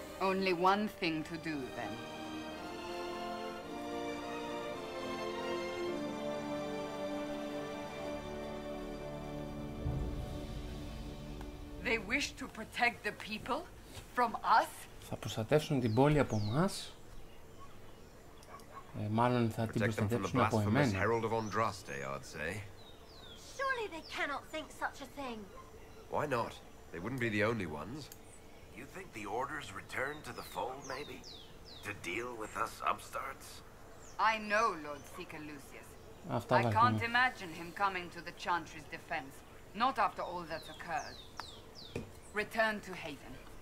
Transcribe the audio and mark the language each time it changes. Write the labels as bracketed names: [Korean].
[English] Only one thing to do, then. They wish to protect the people from us? [Greek] Θα προστατεύσουν την πόλη από μας. Μάλλον θα την προστατεύσουν από εμένα. [English] Herald of Andraste, I'd say. Surely they cannot think such a thing. Why not? They wouldn't be the only ones. You think the orders return to the fold, maybe? To deal with us upstarts? I know Lord Seeker Lucius. I can't imagine him coming to the Chantry's defense. Not after all that's occurred. Return to Haven.